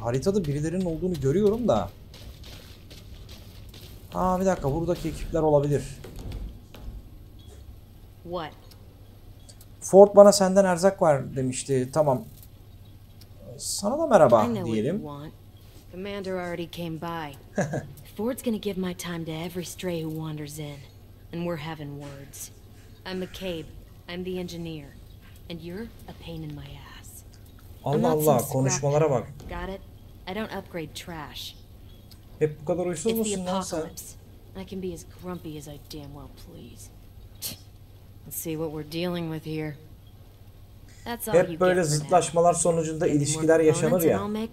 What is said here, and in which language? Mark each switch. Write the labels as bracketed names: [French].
[Turkish] Haritada birilerinin olduğunu görüyorum da. Aa, bir dakika, buradaki ekipler olabilir. [English] What? [Turkish] Ford bana senden erzak var demişti. Tamam. Sana da merhaba diyelim. [English] Commander already came by. Ford's gonna give my time to every stray who wanders in, and we're having words. I'm McCabe. I'm the engineer, and you're a pain in my ass. [Turkish] Allah Allah, konuşmalara bak. [English] Got it. I don't upgrade trash. [Turkish] Hep bu kadar uysuz musun lan sen? [English] I can be as grumpy as I damn well please. Let's see what we're dealing with here. That's all. [Turkish] Hep böyle zıtlaşmalar sonucunda ilişkiler yaşanır ya.